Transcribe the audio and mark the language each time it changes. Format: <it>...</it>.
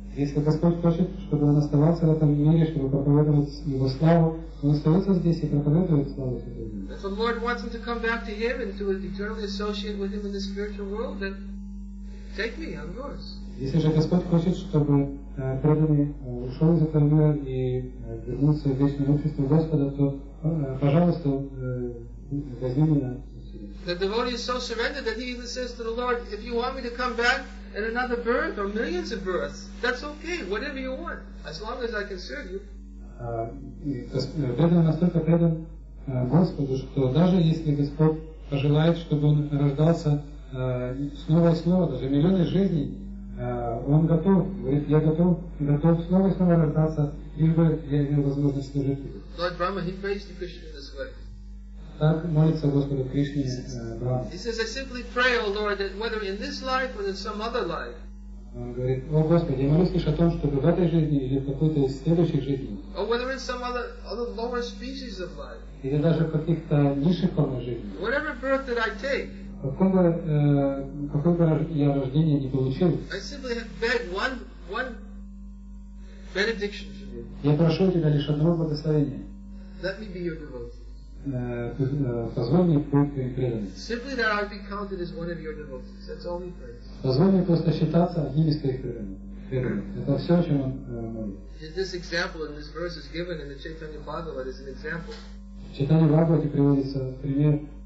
<ru>Если Господь хочет, чтобы он оставался в этом мире, чтобы проповедовать его славу, он остается здесь и проповедует славу Святого Имени.</ru> <en>If the Lord wants him to come back to him and to eternally associate with him in the spiritual world, then take me, I'm yours.</en> <ru>Если же Господь хочет, чтобы преданный ушел из этого мира и вернулся в вечное общество Господа, то, пожалуйста, возьми меня.</ru> <en>The devotee is so surrendered that he even says to the Lord, if you want me to come back in another birth or millions of births, that's okay, whatever you want, as long as I can serve you.</en> <ru>Преданный настолько предан Господу, что даже если Господь пожелает, чтобы он рождался снова и снова, даже миллионы жизней, он готов, говорит, я готов снова и снова рождаться, лишь бы я имел возможность служить ему.</ru> <en>Lord Brahma, he prays to Krishna this way.</en> <ru>Так молится Господу Кришне Брахма.</ru> <en>He says, I simply pray, O Lord, that whether in this life or in some other life.</en> <ru>Он говорит, о Господи, я молюсь лишь о том, чтобы в этой жизни или в какой-то из следующих жизней.</ru> <en>Or whether in some other lower species of life.</en> <ru>Или даже в каких-то низших формах жизни.</ru> <en>Whatever birth that I take.</en> <ru>Какого я рождения не получил?</ru> <en>I simply beg one benediction from you.</en> <ru>Я прошу тебя лишь одного благословения.</ru> <en>Let me be your devotee.</en> <ru>Позволь мне быть твоим преданным.</ru> <en>Simply that I be counted as one of your devotees. That's all he prays.</en> <ru>Позволь мне просто считаться одним из твоих преданных. Это все, о чем он молит.</ru> <en>This example in this verse is given in the Chaitanya Bhagavad is an example.</en> <ru>В Чайтанья Бхагавате приводится пример.</ru>